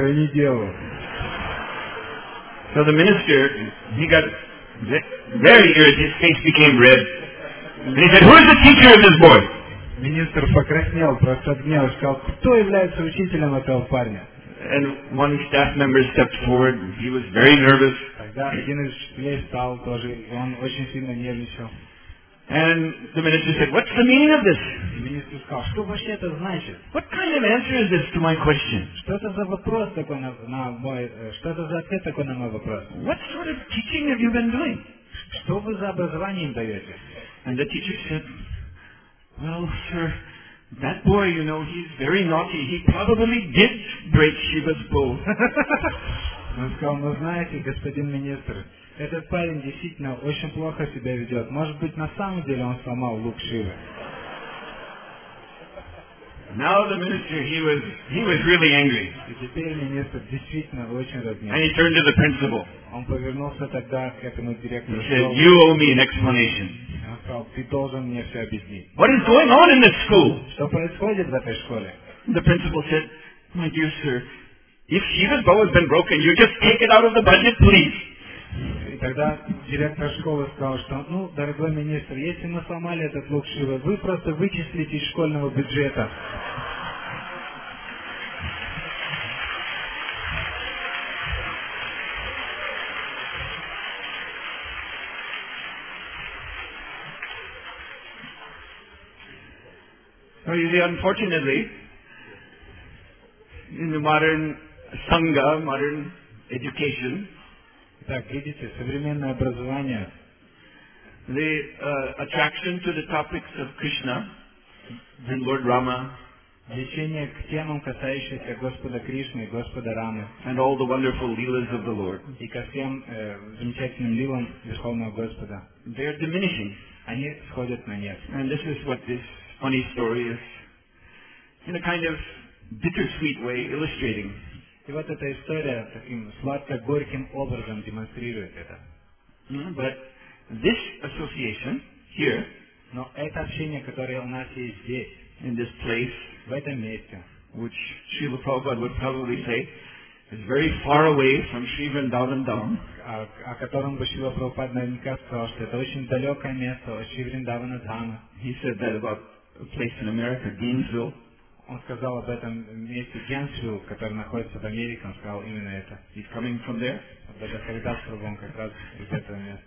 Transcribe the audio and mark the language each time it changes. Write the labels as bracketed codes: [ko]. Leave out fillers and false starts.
[en] So the minister, he got very irritated, his face became red. And he said, who is the teacher of this boy? [ru] Министр покраснел, просто гнев, сказал, кто является учителем этого парня? [en] And one staff member stepped forward. He was very nervous. And the minister said, what's the meaning of this? What kind of answer is this to my question? What sort of teaching have you been doing? And the teacher said, well, sir, that boy, you know, he's very naughty. He probably did break Shiva's bow. [ru] Он сказал, ну знаете, господин министр, этот парень действительно очень плохо себя ведет. Может быть, на самом деле он сломал лук Шивы. [en] Now the minister, he was really angry. [ru] И теперь министр действительно очень разнервничал. [en] And he turned to the principal. [ru] Он повернулся тогда к этому директору. [en] He said, you owe me an explanation. [ru] Он сказал, ты должен мне все объяснить. [en] What is going on in this school? [ru] Что происходит в этой школе? [en] The principal said, my dear sir, if Shiva's bow has been broken, you just take it out of the budget, please. [ru] И тогда директор школы сказал, что, ну, дорогой министр, если мы сломали этот лук Шивы, вы просто вычислите из школьного бюджета. [en] Well, you see, unfortunately, in the modern Sangha, modern education. [ru] Так, видите, современное образование. [en] The attraction to the topics of Krishna and Lord Rama. [ru] Влечение к темам, касающимся Господа Кришны и Господа Рамы. [en] And all the wonderful lilas of the Lord. [ru] И ко всем замечательным лилам Верховного Господа. [en] They are diminishing. [ru] Они сходят на нет. [en] And this is what this funny story is, in a kind of bittersweet way, illustrating. [ru] И вот эта история таким сладко-горьким образом демонстрирует это. [en] But this association here, [ru] но это общение, которое у нас есть здесь, [en] in this place, [ru] в этом месте, [en] which Srila Prabhupada would probably say is very far away from Sri Vrindavan Dham, [ru] о котором бы Шрила Прабхупада наверняка сказал, что это очень далекое место от Шри Вриндавана Дхамы. [en] He said that about a place in America, Gainesville. [ru] Он сказал об этом месте Генсвилл, который находится в Америке, он сказал именно это. [en] He's coming from there? [ru] Это Харидас Прабху, он как раз из этого места.